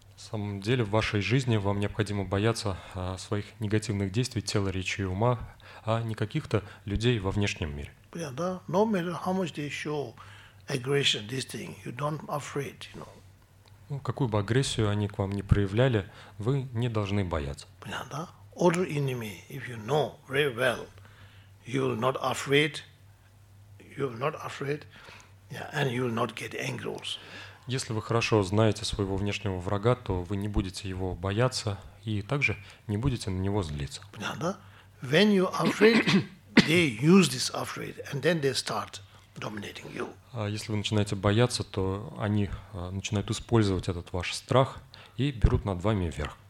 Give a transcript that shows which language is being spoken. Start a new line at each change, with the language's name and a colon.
Russian: На самом деле в вашей жизни вам необходимо бояться своих негативных действий тела, речи и ума, а не каких-то людей во внешнем мире.
English: Yeah, да. No matter how much they show aggression, this thing, you don't afraid, you know.
Russian: Ну, какую бы агрессию они к вам не проявляли, вы не должны бояться.
English: Yeah, да. Other enemy, if you know very well, you will not afraid, yeah, and you will not get angry also.
Russian: Если вы хорошо знаете своего внешнего врага, то вы не будете его бояться и также не будете на него злиться. Понятно?
English: When you are afraid, they use this afraid, and then they start dominating you.
Russian: А если вы начинаете бояться, то они начинают использовать этот ваш страх и берут над вами верх.